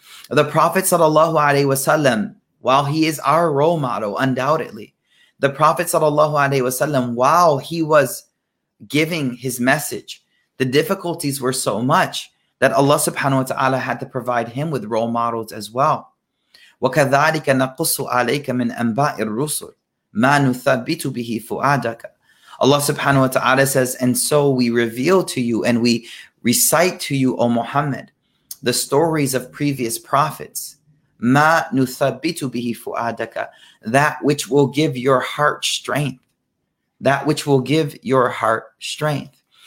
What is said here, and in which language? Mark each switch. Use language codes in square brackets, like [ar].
[en] The Prophet sallallahu alaihi wasallam, while he is our role model, undoubtedly, the Prophet sallallahu alaihi wasallam, while he was giving his message, the difficulties were so much that Allah subhanahu wa ta'ala had to provide him with role models as well. [ar] وكذلك نقص عليك من أنباء الرسل ما نثبت به فؤادك. [en] Allah subhanahu wa ta'ala says, and so we reveal to you and we recite to you, O Muhammad, the stories of previous prophets, [ar] ma nuthabbitu bihi fu'adaka, [en] that which will give your heart strength, that which will give your heart strength.